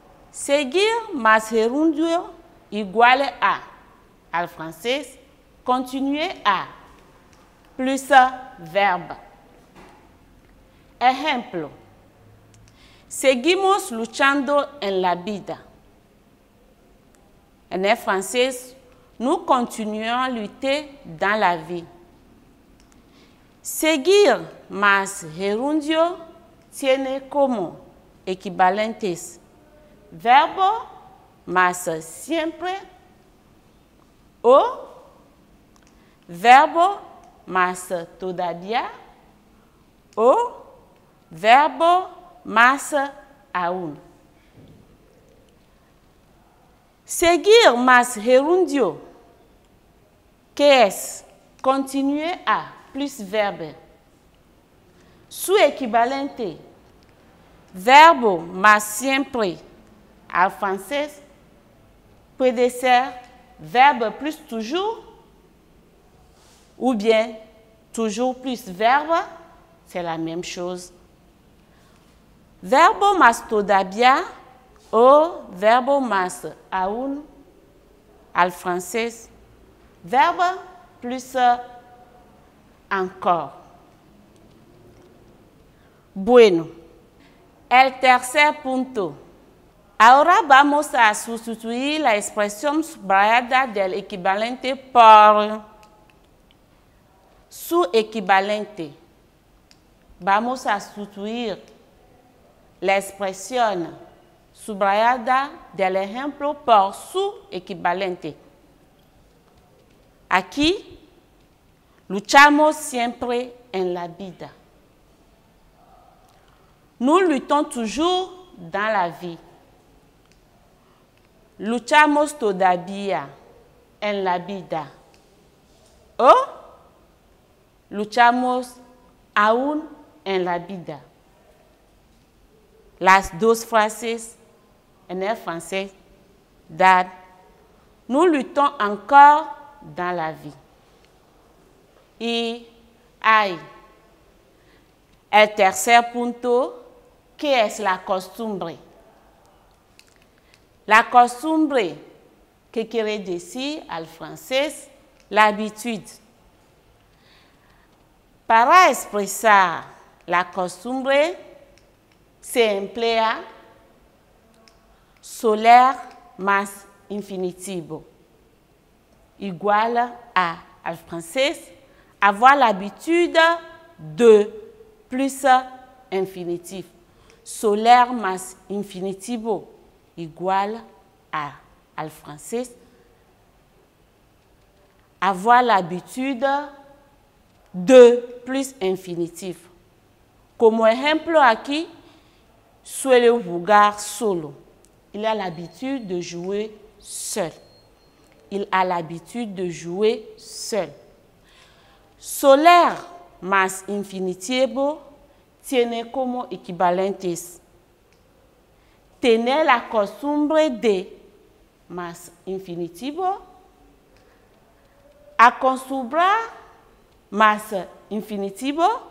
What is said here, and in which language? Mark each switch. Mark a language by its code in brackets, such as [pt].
[es] Seguir más gerundio igual a, al francés, [fr] continuer a, plus verbe. [es] Ejemplo. Seguimos luchando en la vida. En el francés, [fr] nous continuons à lutter dans la vie. [es] Seguir más gerundio tiene como equivalentes verbo más siempre o verbo más todavía o verbo más aún. Seguir más gerundio, ¿qué es? [fr] Continuar a plus verbe. [es] Su equivalente, verbo más siempre al francés, puede ser [fr] verbe plus toujours ou bien toujours plus verbe, c'est la même chose. [es] Verbo más todavía o verbo más aún, al francés, verbo [fr] plus encore. [es] Bueno, el tercer punto. Ahora vamos a sustituir la expresión subrayada del equivalente por su equivalente. Vamos a sustituir la expresión subrayada del ejemplo por su equivalente. Aquí, luchamos siempre en la vida. [fr] Nous luttons toujours dans la vie. [es] Luchamos todavía en la vida. O luchamos aún en la vida. Las dos frases en el francés dan. [fr] Nous luttons encore dans la vie. [es] Y hay el tercer punto, que es la costumbre. La costumbre, que quiere decir al francés, l'habitude. Para expresar la costumbre, se emplea soler más infinitivo. Igual a, al francés, [fr] avoir l'habitude de plus infinitif. [es] Soler más infinitivo, igual a, al francés, [fr] avoir l'habitude de plus infinitif. [es] Como ejemplo aquí, suele jugar solo. [fr] Il a l'habitude de jouer seul. Il a l'habitude de jouer seul. [es] Soler más infinitivo tiene como equivalentes. Tener la costumbre de más infinitivo. Acostumbrar más infinitivo.